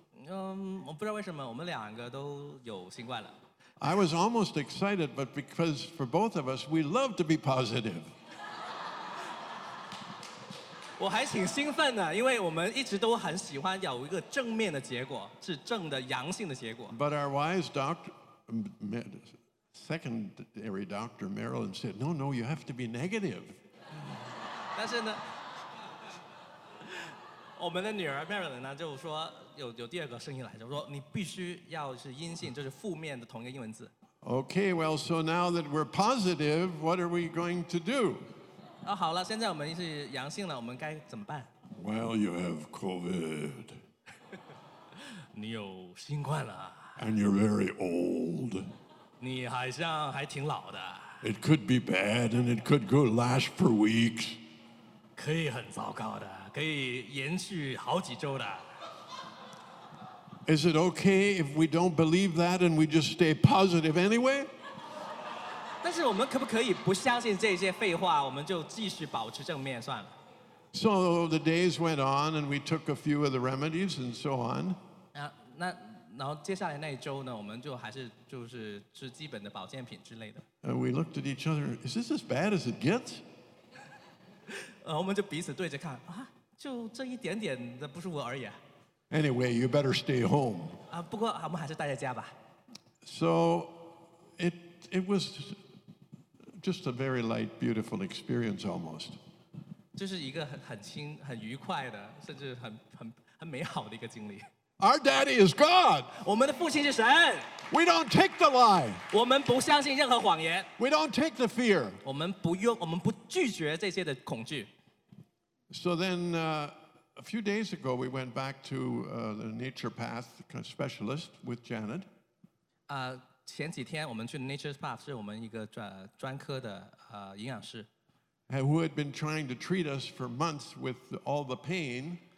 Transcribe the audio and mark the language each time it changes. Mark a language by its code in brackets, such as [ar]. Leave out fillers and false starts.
[zh] 我不知道为什么我们两个都有新冠了。 [en] I was almost excited, but because for both of us, we love to be positive. [zh] 我还挺兴奋的，因为我们一直都很喜欢有一个正面的结果，是正的阳性的结果。 [en] But our wise secondary doctor Marilyn said, "No, no, you have to be negative." [zh] 但是呢。我们的女儿 Marilyn 呢，就是说有第二个声音来，就是说你必须要是阴性，就是负面的同一个英文字。 [en] Okay, well, so now that we're positive, what are we going to do? [zh] 好了，现在我们是阳性了，我们该怎么办 [en] ？Well, you have COVID. [zh] 你有新冠了。 [en] And you're very old. [zh] 你好像还挺老的。 [en] It could be bad, and it could go last for weeks. [zh] 可以很糟糕的。可以延续好几周的。 [en] Is it okay if we don't believe that and we just stay positive anyway? [zh] 但是我们可不可以不相信这些废话，我们就继续保持正面算了。 [en] So the days went on and we took a few of the remedies and so on. [zh] 然后接下来那一周呢，我们就还是就是吃基本的保健品之类的。 [en] And we looked at each other, is this as bad as it gets? [zh] 我们就彼此对着看啊，就这一点点的不舒服而已。 [en] Anyway, you better stay home. [zh] 不过我们还是待在家吧。 [en] So it was just a very light, beautiful experience almost. [zh] 就是一个很轻很愉快的甚至很美好的一个经历。 [en] Our daddy is God. [zh] 我们的父亲是神。 [en] We don't take the lie. [zh] 我们不相信任何谎言。 [en] We don't take the fear. [zh] 我们不拒绝这些的恐惧。 [en] So then, a few days ago, we went back to the naturopath specialist with Janet. [zh] 前几天我们去 naturopath 是我们一个专科的营养师。 [en] Who had been trying to treat us for months with all the pain.